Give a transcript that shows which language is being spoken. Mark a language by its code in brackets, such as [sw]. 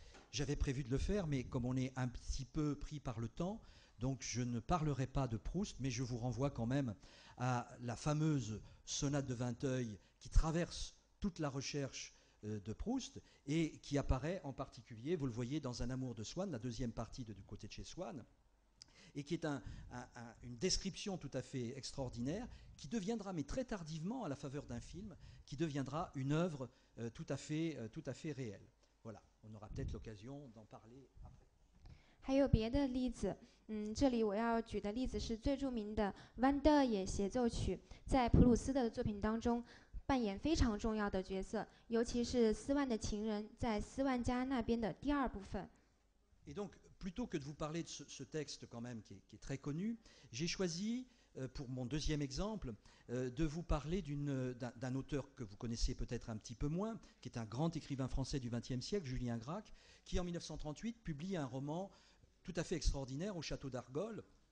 [fr] J'avais prévu de le faire, mais comme on est un petit peu pris par le temps, donc je ne parlerai pas de Proust, mais je vous renvoie quand même à la fameuse sonate de Vinteuil qui traverse toute la recherche de Proust et qui apparaît en particulier, vous le voyez, dans Un amour de Swann, la deuxième partie de Du côté de chez Swann, et qui est une description tout à fait extraordinaire, qui deviendra, mais très tardivement, à la faveur d'un film, qui deviendra une œuvre tout à fait réelle. Voilà, on aura peut-être l'occasion d'en parler après. [zh] 还有别的例子，这里我要举的例子是最著名的《万德野协奏曲》，在普鲁斯的作品当中扮演非常重要的角色，尤其是斯万的情人在斯万家那边的第二部分。 [fr] Et donc, plutôt que de vous parler de ce texte quand même qui est très connu, j'ai choisi pour mon deuxième exemple, de vous parler d'un auteur que vous connaissez peut-être un petit peu moins, qui est un grand écrivain français du XXe siècle, Julien Gracq, qui en 1938 publie un roman tout à fait extraordinaire au château d'Argol.